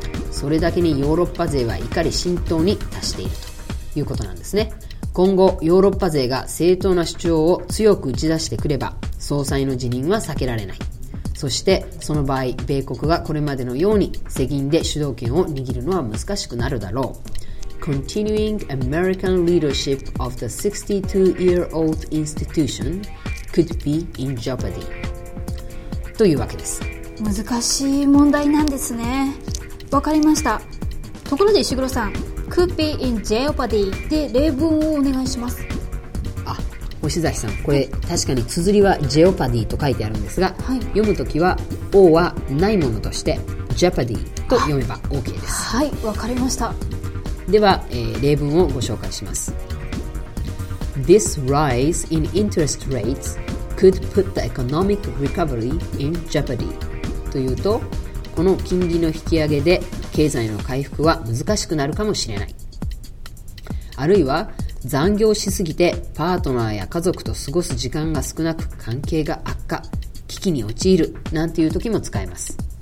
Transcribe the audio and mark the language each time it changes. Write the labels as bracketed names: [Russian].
[Japanese] それだけにヨーロッパ勢は怒り心頭に達しているということなんですね。今後ヨーロッパ勢が正当な主張を強く打ち出してくれば、総裁の辞任は避けられない。そしてその場合、米国がこれまでのように世銀で主導権を握るのは難しくなるだろう。 [English] Continuing American leadership of the 62-year-old institution could be in jeopardy. [Japanese] というわけです。難しい問題なんですね。わかりました。ところで石黒さん、 [English] could be in jeopardy [Japanese] で例文をお願いします。あ、星崎さん、これ確かに綴りはジェオパディと書いてあるんですが、はい、読むときは O はないものとしてジェパディと読めば OK です。はい、わかりました。では、例文をご紹介します。 [English] This rise in interest rates could put the economic recovery in jeopardy. [Japanese] というと、この金利の引き上げで経済の回復は難しくなるかもしれない。あるいは、残業しすぎてパートナーや家族と過ごす時間が少なく関係が悪化、危機に陥るなんていう時も使えます。